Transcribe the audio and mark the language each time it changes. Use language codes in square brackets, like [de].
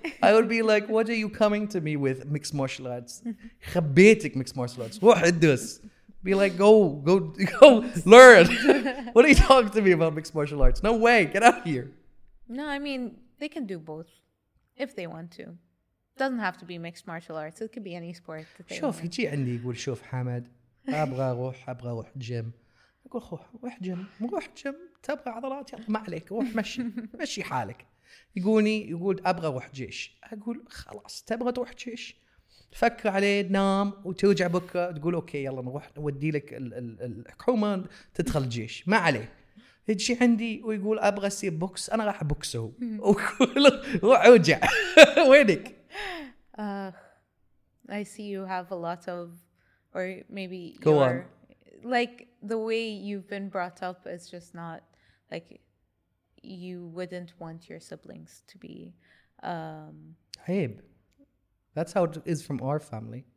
[en] I will be like, what are you coming to me with, mixed martial arts? [ar] خبيتك [en] mixed martial arts. [ar] واحد دوس. [en] Be like, go learn. What are you talking to me about mixed martial arts? No way. Get out of here. No, I mean, they can do both if they want to. It doesn't have to be mixed martial arts. It could be any sport that they [ar] شوف يجي عندي يقول شوف حمد أبغى أروح جيم. أقول خوح روح جيم تبغى عضلات يلا ما عليك روح مشي حالك. يقول أبغى روح جيش. أقول خلاص تبغى تروح جيش فكر عليه نام وترجع بكرة تقول أوكي يلا نروح نودي لك الحكومة تدخل الجيش ما عليه. يجي عندي ويقول أبغى سير بوكس أنا راح بوكسه وقول روح أرجع وينك. [en] I see you have a lot of or maybe you are like the way you've been brought up is just not like you wouldn't want your siblings to be [ar] عيب. [en] That's how it is from our family.